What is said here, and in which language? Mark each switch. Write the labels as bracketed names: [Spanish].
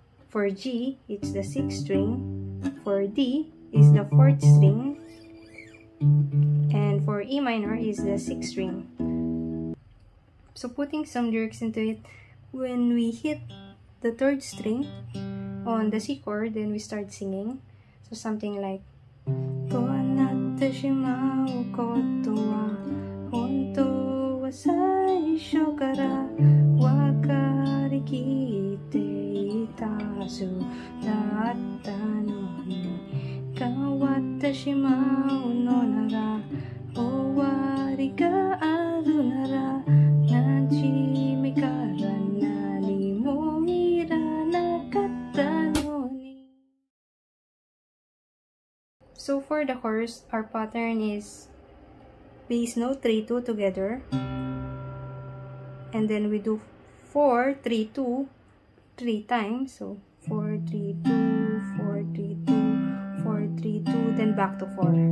[English] For G, it's the 6th string. For D,is the 4th string, and for E minor is the 6th string. So putting some lyrics into it, when we hit the 3rd string on the C chord, then we start singing. So something like [Japanese] こうなってしまうことは本当は最初から分かりきっていたはずだったのに、変わってしまうのなら、終わりがあるなら、なじみから何もいらなかったのに。 [English] So for the chorus, our pattern is bass note 3-2 together, and then we do 4-3-2 three times. So 4-3-2, 4-3-2. 4-3-2, then back to 4.